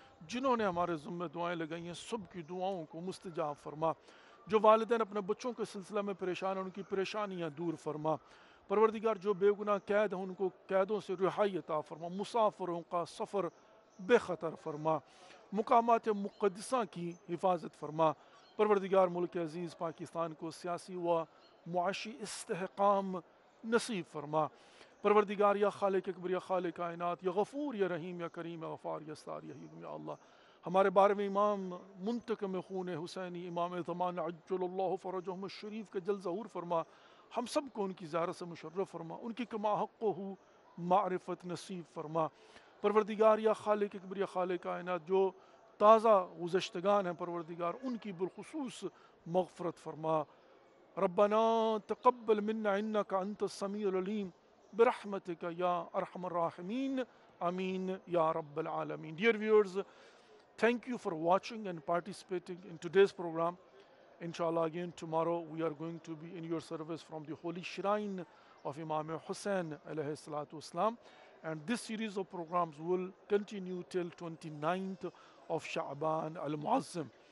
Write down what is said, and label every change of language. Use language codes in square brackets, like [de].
[ur] جنہوں نے ہمارے ذمہ دعائیں لگائی ہیں سب کی دعاؤں کو مستجاب فرما. جو والدین اپنے بچوں کے سلسلہ میں پریشان ہیں ان کی پریشانیاں دور فرما. پروردگار جو بے گناہ قید ہیں ان کو قیدوں سے رہائی عطا فرما. مسافروں کا سفر بے خطر فرما. مقامات مقدسہ کی حفاظت فرما. پروردگار ملک عزیز پاکستان کو سیاسی و معاشی استحکام نصیب فرما. پروردگار یا خالق اکبر یا خالق کائنات یا غفور یا رحیم یا کریم یا غفار یا ستار یا حیم یا اللہ ہمارے بارے میں امام منتقم خون حسینی امام زمان عجل اللہ فرجہم الشریف کا جل ظہور فرما. ہم سب کو ان کی زیارت سے مشرف فرما. ان کی کما حق و معرفت نصیب فرما. پروردگار یا خالق اکبر یا خالق کائنات جو تازہ گزشتگان ہیں پروردگار ان کی بالخصوص مغفرت فرما. [ar] ربنا تقبل منا انك انت السميع العليم برحمتك يا ارحم الراحمين امين يا رب العالمين. [en] Dear viewers, thank you for watching and participating in today's program. Inshallah, again tomorrow we are going to be in your service from the holy shrine of Imam Hussain alayhi salatu wasalam. And this series of programs will continue till 29th of Sha'ban al-Mu'azzim.